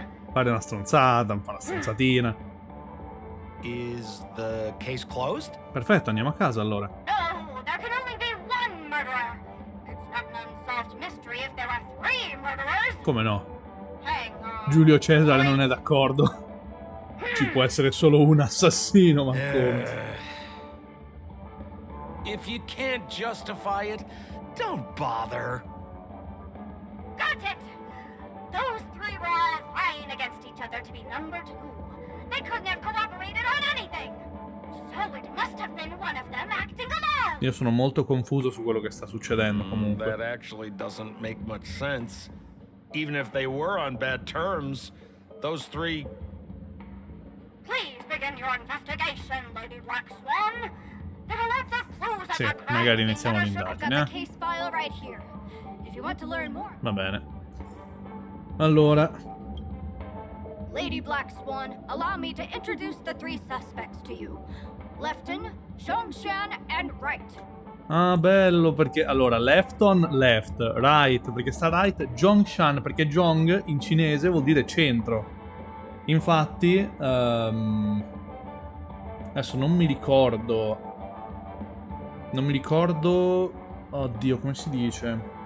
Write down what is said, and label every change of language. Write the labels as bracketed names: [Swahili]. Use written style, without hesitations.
[Italian] Fare una stronzata, un po' una stronzatina. [English] Is the case closed? [Italian] Perfetto, andiamo a casa allora. [English] No, there can only be one murderer. It's not an unsolved mystery if there are 3 murderers. [Italian] Come no? [English] Hang on. [Italian] Giulio Cesare non è d'accordo. Ci può essere solo un assassino, ma come? [English] If you can't justify it, don't bother. Got it! Those 3 were all vying against each other to be number 2. They couldn't have cooperated on anything. So it must have been one of them acting alone. [Italian] Io sono molto confuso su quello che sta succedendo, comunque. [English] That actually doesn't make much sense. Even if they were on bad terms, those 3... Please begin your investigation, Lady Black Swan. There are lots of clues. [Italian] Sì, magari iniziamo un'indagine. [English] I've got the case file right here. If you want to learn more. [Italian] Va bene. Allora, [English] Lady Black Swan, allow me to introduce the 3 suspects to you. Lefton, Zhongshan, and Wright. [Italian] Ah, bello, perché allora left on left, right, perché sta right, Zhongshan, perché Zhong in cinese vuol dire centro. Infatti, adesso non mi ricordo. Non mi ricordo. Oddio, come si dice?